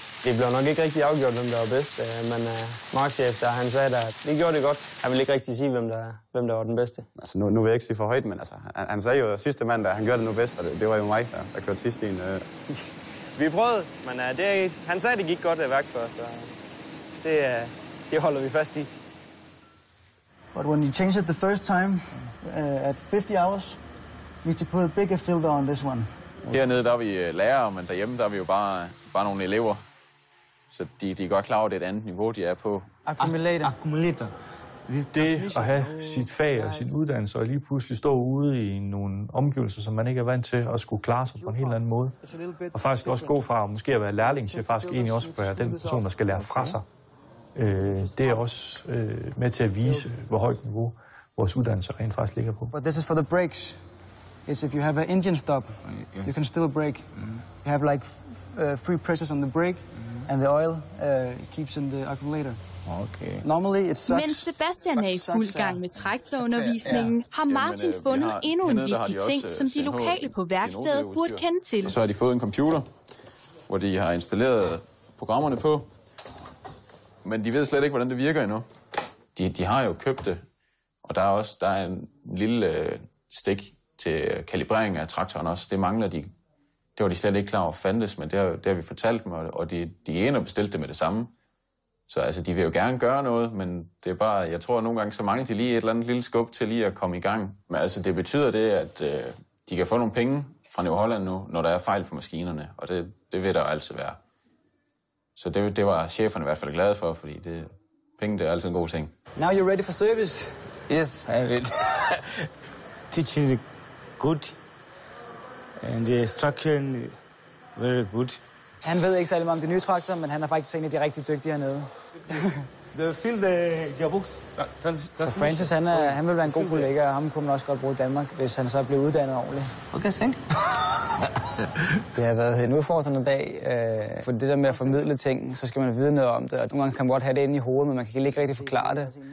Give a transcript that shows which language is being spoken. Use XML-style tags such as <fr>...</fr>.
<da>Det blev nok ikke rigtig afgjort, hvem der var bedst, men markchef, der han sagde, at det gjorde det godt. Han ville ikke rigtig sige, hvem der var den bedste. Altså, nu vil jeg ikke sige for højt, men altså, han sagde jo sidste mandag, at han gjorde det nu bedst, og det var jo mig, der kørte sidst i en. Vi prøvede, men han sagde, at det gik godt af værk for, så det holder vi fast i.</da> <en>But when you change it the first time at 50 hours, we need to put a bigger filter on this one.</en> <da>Hernede der er vi lærere, men derhjemme der er vi jo bare nogle elever. Så de er godt klar over, det er et andet niveau, de er på.</da> <en>Accumulator.</en> <da>det at have sit fag og sin uddannelse, og lige pludselig stå ude i nogle omgivelser, som man ikke er vant til, at skulle klare sig på en helt anden måde. Og faktisk også gå fra måske at være lærling til faktisk egentlig også at være den person, der skal lære fra sig. Det er også med til at vise, hvor højt niveau vores uddannelse rent faktisk ligger på.</da> <en>But this is for the brakes. Is if you have an engine stop, you can still brake. You have like three presses on the brake, and the oil keeps in the accumulator. Okay. Normally it sucks.</en> <da>Mens Sebastian er i fuld gang med traktorundervisningen, har Martin fundet endnu en vigtig ting, som de lokale på værkstedet burde kende til. Så har de fået en computer, hvor de har installeret programmerne på, men de ved slet ikke, hvordan det virker endnu. De har jo købt det, og der er en lille stik til kalibrering af traktoren også. Det mangler de. Det var de slet ikke klar over fandtes, men det har vi fortalt dem, og de ene har bestilt det med det samme. Så altså, de vil jo gerne gøre noget, men det er bare, jeg tror, at nogle gange så mangler de lige et eller andet lille skub til lige at komme i gang. Men altså, det betyder det, at de kan få nogle penge fra New Holland nu, når der er fejl på maskinerne, og det vil der altid være. Så det var cheferne i hvert fald glade for, fordi penge, det er altid en god ting.</da> <en>Now you're ready for service. Yes, I will. Teaching is good, and the instruction is very good.</en> <da>Han ved ikke særlig meget om de nye traktorer, men han er faktisk en af de rigtig dygtige hernede.</da> <en>The field, the gearbox,</en> <da>så Francis, han vil være en god kollega, og ham kunne man også godt bruge i Danmark, hvis han så blev uddannet ordentligt.</da> <en>Okay, thank you.</en> <da>Det har været en udfordrende dag, for det der med at formidle ting, så skal man vide noget om det. Og nogle gange kan man godt have det inde i hovedet, men man kan ikke rigtig forklare det.</da>